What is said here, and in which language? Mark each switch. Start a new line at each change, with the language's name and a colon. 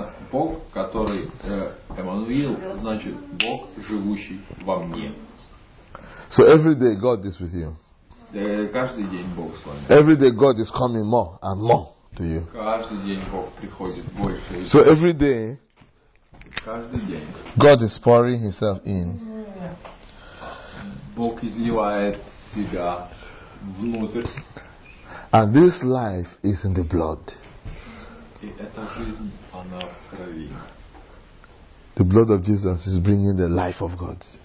Russian: Бог, который Эммануил, значит Бог, живущий во мне.
English: So every day God is with you.
Russian: Каждый день Бог с вами.
English: Every day God is coming more and more to you.
Russian: Каждый день Бог приходит больше.
English: So every day.
Russian: Каждый день.
English: God is pouring Himself in.
Russian: Бог изливает себя внутрь.
English: And this life is in the blood. The blood of Jesus is bringing the life of God.